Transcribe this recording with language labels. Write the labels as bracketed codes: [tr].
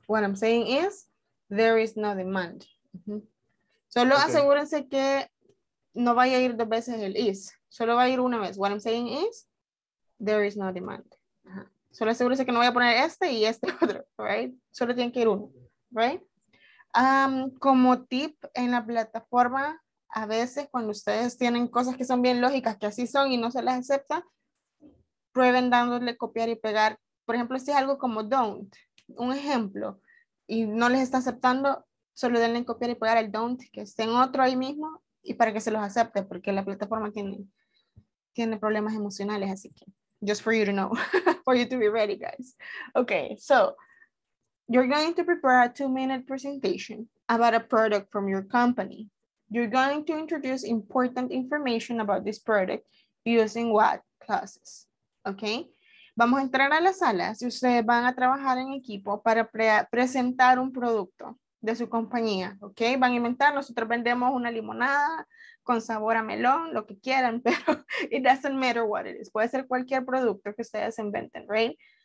[en] What I'm saying is, there is no demand. [es] Mm-hmm. Solo okay. asegúrense que no vaya a ir dos veces el is. Solo va a ir una vez. [en] What I'm saying is, there is no demand. Uh-huh. [es] Solo asegúrense que no voy a poner este y este otro, right? Solo tiene que ir uno, right? Como tip en la plataforma, a veces cuando ustedes tienen cosas que son bien lógicas, que así son y no se las acepta, prueben dándole copiar y pegar. Por ejemplo, si es algo como don't, un ejemplo, y no les está aceptando, solo denle en copiar y pegar el don't, que esté en otro ahí mismo, y para que se los acepte, porque la plataforma tiene problemas emocionales, así que, [en] just for you to know, for you to be ready, guys. Okay, so, you're going to prepare a 2-minute presentation about a product from your company. You're going to introduce important information about this product using what clauses, okay? [es] Vamos a entrar a las salas y ustedes van a trabajar en equipo para presentar un producto de su compañía, ¿ok? Van a inventar, nosotros vendemos una limonada con sabor a melón, lo que quieran, pero [en] it doesn't matter what it is. [es] Puede ser cualquier producto que ustedes inventen, ¿right?